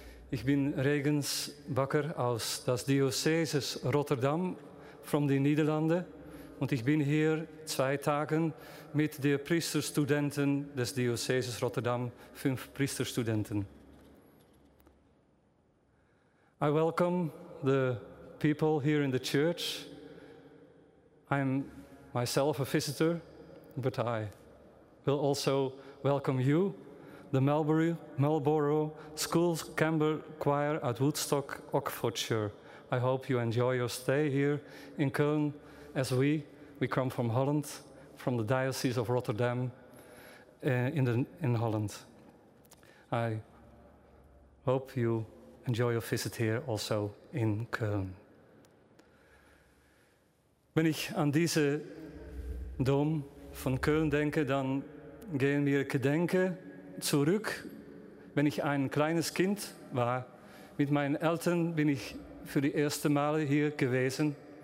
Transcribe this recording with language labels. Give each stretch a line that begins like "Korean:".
German: Ich bin Regens Bakker aus das Diözese Rotterdam von den Niederlanden und ich bin hier 2 Tage mit der Priesterstudenten des Diözese Rotterdam, 5 Priesterstudenten.
English: I welcome the people here in the church. I'm myself a visitor, but I will also welcome you, the Marlborough School's Camber Choir at Woodstock, Oxfordshire. I hope you enjoy your stay here in Köln, as we come from Holland, from the Diocese of Rotterdam in Holland. I hope you enjoy your visit here also in Köln.
German: Wenn ich an diese Dom von Köln denke, dann gehen mir Gedenken zurück. Wenn ich ein kleines Kind war, mit meinen Eltern bin ich für die erste Male hier gewesen.